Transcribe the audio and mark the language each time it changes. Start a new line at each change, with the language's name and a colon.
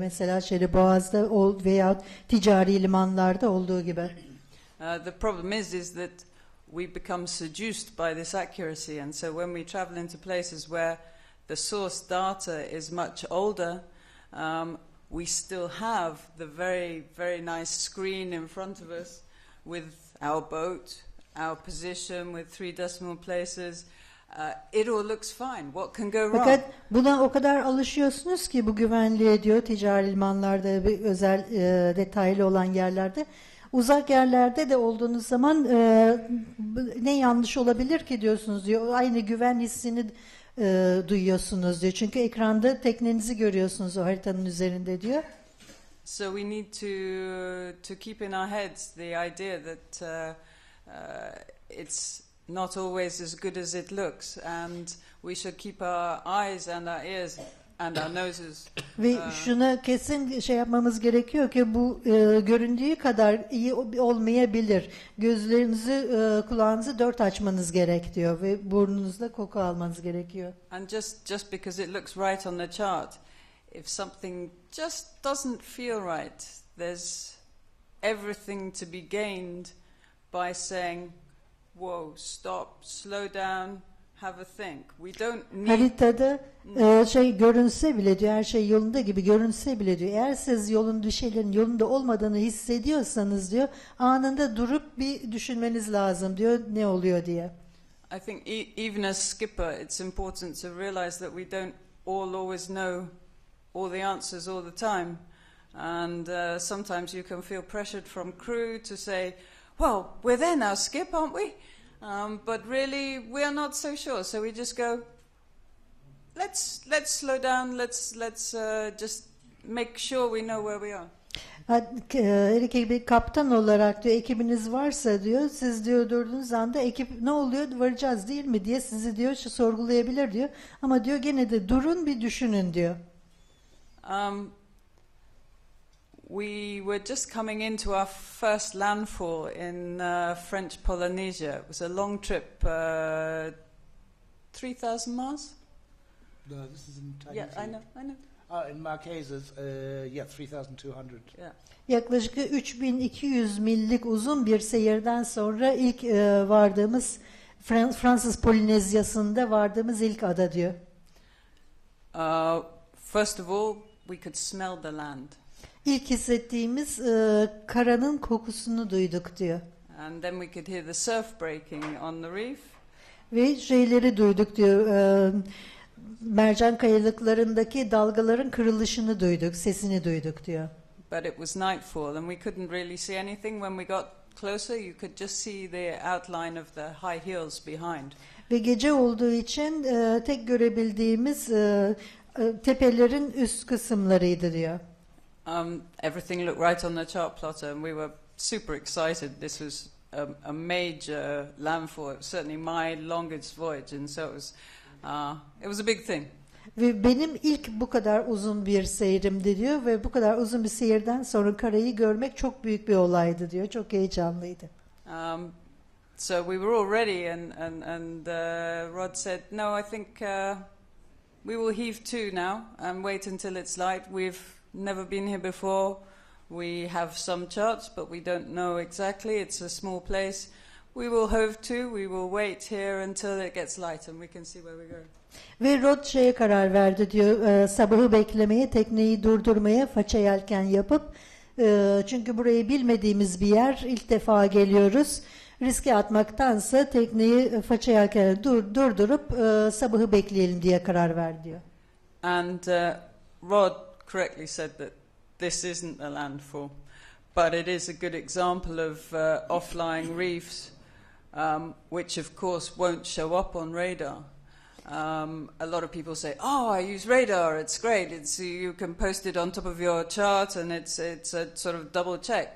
Turkish: Mesela şöyle Boğaz'da veya ticari limanlarda olduğu gibi.
English: The problem is that we become seduced by this accuracy, and so when we travel into places where the source data is much older, we still have the very, very nice screen in front of us with our boat, our position with three decimal places. It all looks fine. What can go wrong?
Turkish: Fakat buna o kadar alışıyorsunuz ki bu güvenliğe diyor, ticari limanlarda bir özel detaylı olan yerlerde. Uzak yerlerde de olduğunuz zaman ne yanlış olabilir ki diyorsunuz diyor. Aynı güven hissini duyuyorsunuz diyor. Çünkü ekranda teknenizi görüyorsunuz o haritanın üzerinde diyor.
English: So we need to keep in our heads the idea that it's not always as good as it looks, and we should keep our eyes and our ears and our noses.
Turkish: Ve şuna kesin şey yapmamız gerekiyor ki bu göründüğü kadar iyi olmayabilir. Gözlerinizi, kulağınızı dört açmanız gerek diyor ve burnunuzla koku almanız gerekiyor.
English: And just because it looks right on the chart, if something just doesn't feel right, there's everything to be gained by saying, whoa, stop, slow down, have a think. We don't need...
Turkish: Haritada şey görünse bile diyor, her şey yolunda gibi görünse bile diyor. Eğer siz yolunda, bir şeylerin yolunda olmadığını hissediyorsanız diyor, anında durup bir düşünmeniz lazım diyor, ne oluyor diye.
English: I think even as skipper, it's important to realize that we don't all always know all the answers all the time. And sometimes you can feel pressured from crew to say, well, we're there now, skip, aren't we? But really, we are not so sure. So we just go, let's slow down, let's just make sure we know where we are.
Turkish: Erik gibi kaptan olarak diyor, ekibiniz varsa diyor, siz diyor durduğunuz anda ekip ne oluyor, varacağız değil mi diye sizi diyor şu sorgulayabilir diyor. Ama diyor gene de durun bir düşünün diyor.
English: We were just coming into our first landfall in French Polynesia. It was a long trip, 3,000 miles? No, this is in Tahiti. Yeah, I know. In Marquesas, 3,200. Yeah.
Turkish: Yaklaşık 3,200 millik uzun bir seyirden sonra ilk vardığımız Fransız Polinezyası'nda vardığımız ilk ada diyor.
English: First of all, we could smell the land.
Turkish: İlk hissettiğimiz karanın kokusunu duyduk diyor.
English: And then we could hear the surf breaking on the reef.
Turkish: Ve şeyleri duyduk diyor. Mercan kayalıklarındaki dalgaların kırılışını duyduk, sesini duyduk diyor.
English: But it was nightfall and we couldn't really see anything. When we got closer, you could just see the outline of the high hills behind.
Turkish: Ve gece olduğu için tek görebildiğimiz tepelerin üst kısımlarıydı diyor.
English: Everything looked right on the chart plotter and we were super excited. This was a major landfall, certainly my longest voyage, and so it was a big thing.
Turkish: Ve benim ilk bu kadar uzun bir seyrimdi diyor ve bu kadar uzun bir seyirden sonra karayı görmek çok büyük bir olaydı diyor. Çok heyecanlıydı.
English: So we were all ready and Rod said, no, I think we will heave to now and wait until it's light. We've never been here before. We have some charts, but we don't know exactly. It's a small place. We will hove to. We will wait here until it gets light, and we can see where we go.
Turkish: Ve Rod şeye karar verdi diyor, sabahı beklemeye, tekneyi durdurmaya, faça yelken yapıp, çünkü burayı bilmediğimiz bir yer, ilk defa geliyoruz. Riske atmaktansa tekneyi faça yelken durdurup sabahı bekleyelim diye karar verdi diyor.
English: And Rod correctly said that this isn't a landfall, but it is a good example of offlying reefs, which of course won't show up on radar. A lot of people say, oh, I use radar, it's great, it's, you can post it on top of your chart and it's a sort of double check.